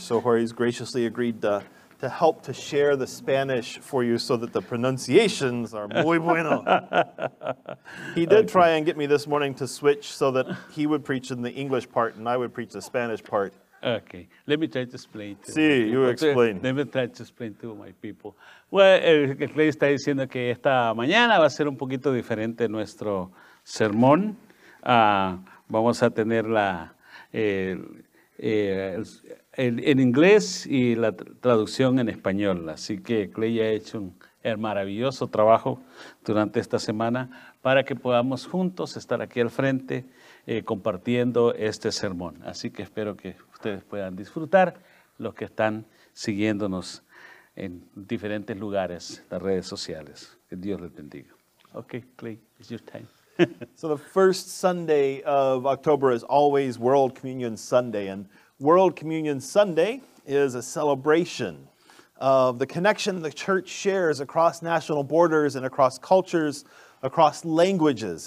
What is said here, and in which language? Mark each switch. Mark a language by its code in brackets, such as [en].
[en] So Jorge's graciously agreed to help to share the Spanish for you so that the pronunciations are [es] muy bueno. [en] He did try and get me this morning to switch so that he would preach in the English part and I would preach the Spanish part. Okay, let me try to explain. Let me try to explain to my people. [es] Well, Clay está diciendo que esta mañana va a ser un poquito diferente nuestro sermón. Vamos a tener en inglés y la traducción en español. Así que Clay ha hecho un maravilloso trabajo durante esta semana para que podamos juntos estar aquí al frente compartiendo este sermón. Así que espero que ustedes puedan disfrutar los que están siguiéndonos en diferentes lugares, las redes sociales. Que Dios les bendiga. [en] Okay, Clay, it's your time. So the first Sunday of October is always World Communion Sunday, and World Communion Sunday is a celebration of the connection the church shares across national borders and across cultures, across languages.